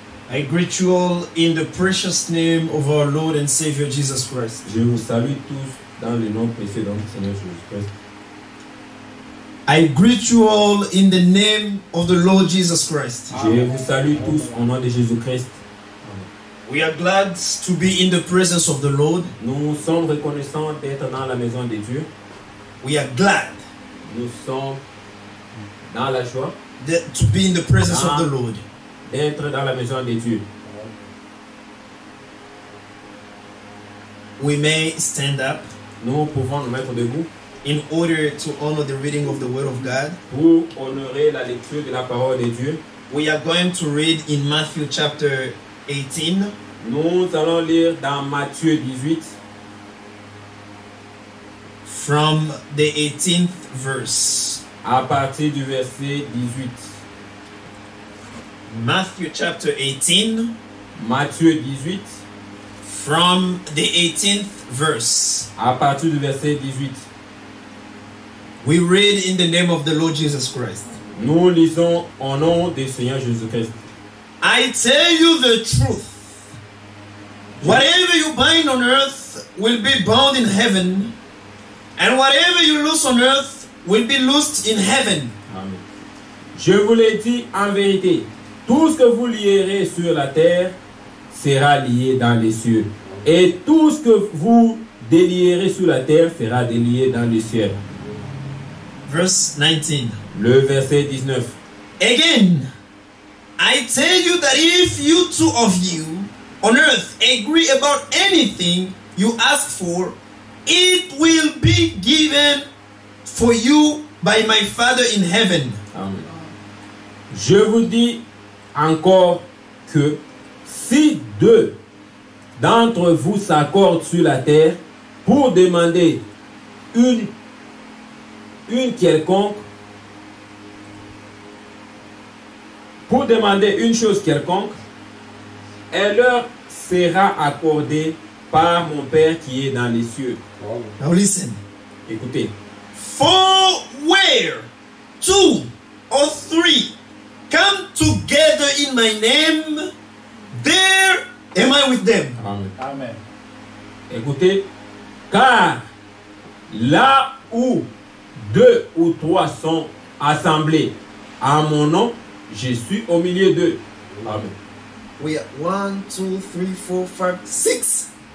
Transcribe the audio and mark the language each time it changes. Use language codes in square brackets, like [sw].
[en] I greet you all in the precious name of our Lord and Savior Jesus Christ. [fr] Je vous salue tous dans le nom précédent du Seigneur Jésus Christ. [en] I greet you all in the name of the Lord Jesus Christ. [fr] Je vous salue tous au nom de Jésus Christ. [en] We are glad to be in the presence of the Lord. [fr] Nous sommes reconnaissants d'être dans la maison de Dieu. [en] We are glad. [fr] Nous sommes dans la joie. [en] That to be in the presence of the Lord. [fr] D'être dans la maison de Dieu. [en] We may stand up. [fr] Nous pouvons nous mettre debout. [en] In order to honor the reading of the word of God. [fr] Pour honorer la lecture de la parole de Dieu. [en] We are going to read in Matthew chapter 18. [fr] Nous allons lire dans Matthieu 18. [en] From the 18th verse. [fr] À partir du verset 18. [en] Matthew chapter 18. [fr] Matthieu 18. [en] From the 18th verse. [fr] À partir du verset 18. [en] We read in the name of the Lord Jesus Christ. [fr] Nous lisons au nom du Seigneur Jésus Christ. [en] I tell you the truth. Whatever you bind on earth will be bound in heaven. And whatever you loose on earth will be loosed in heaven. [fr] Amen. Je vous l'ai dit en vérité. Tout ce que vous lierez sur la terre sera lié dans les cieux. Et tout ce que vous délierez sur la terre sera délié dans les cieux. [en] Verse 19. [fr] Le verset 19. [en] Again, I tell you that if you two of you on earth agree about anything you ask for, it will be given for you by my Father in heaven. Amen. [fr] Je vous dis encore que si deux d'entre vous s'accordent sur la terre pour demander une chose quelconque, elle leur sera accordée par mon Père qui est dans les cieux. [en] Now listen. [fr] Écoutez. [en] For where two or three come together in my name, there am I with them. Amen. Amen. [fr] Écoutez, car là où deux ou trois sont assemblés à mon nom, je suis au milieu d'eux. Amen. [en] We are 1, 2, 3, 4, 5, 6.